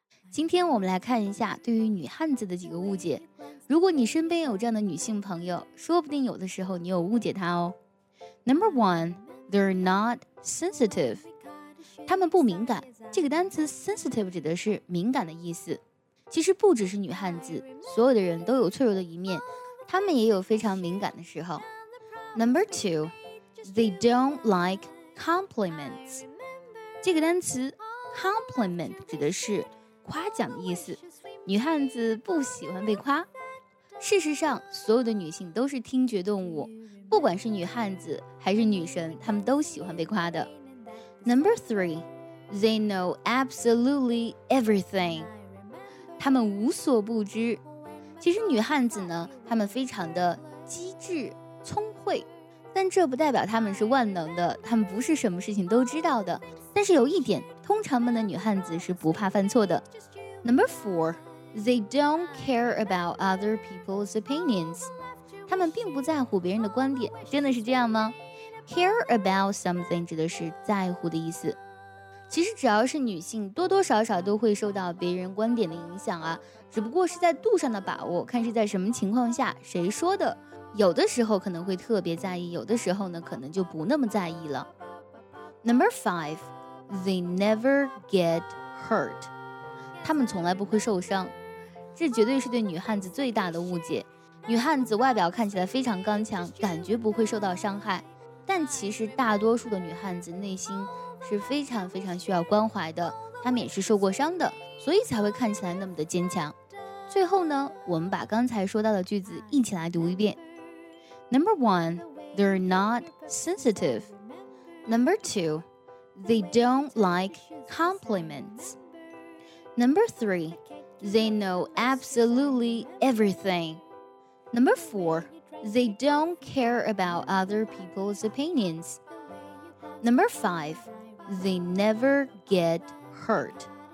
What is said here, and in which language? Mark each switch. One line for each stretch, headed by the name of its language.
Chinese: 今天我们来看一下对于女汉子的几个误解。如果你身边有这样的女性朋友，说不定有的时候你有误解她哦。
English: Number one, they're not sensitive.
Chinese: 她们不敏感。这个单词 sensitive 指的是敏感的意思。其实不只是女汉子，所有的人都有脆弱的一面，她们也有非常敏感的时候。
English: Number two, they don't like compliments.
Chinese: 这个单词 compliment 指的是夸奖的意思，女汉子不喜欢被夸。事实上，所有的女性都是听觉动物，不管是女汉子还是女神，她们都喜欢被夸的。
English: Number three, they know absolutely everything.
Chinese: 她们无所不知。其实女汉子呢，她们非常的机智、聪慧，但这不代表她们是万能的，她们不是什么事情都知道的。但是有一点，通常们的女汉子是不怕犯错的。
English: Number four, they don't care about other people's opinions.
Chinese: 她们并不在乎别人的观点，真的是这样吗？
English: Care about something
Chinese: 指的是在乎的意思。其实只要是女性，多多少少都会受到别人观点的影响啊，只不过是在度上的把握，看是在什么情况下，谁说的。有的时候可能会特别在意，有的时候呢，可能就不那么在意了。
English: Number five,They never get hurt.
Chinese: 他们从来不会受伤。这绝对是对女汉子最大的误解。女汉子外表看起来非常刚强，感觉不会受到伤害。但其实大多数的女汉子内心是非常非常需要关怀的，她们也是受过伤的，所以才会看起来那么的坚强。最后呢，我们把刚才说到的句子一起来读一遍。
English: Number one, they're not sensitive. Number two,They don't like compliments. Number three, they know absolutely everything. Number four, they don't care about other people's opinions. Number five, they never get hurt.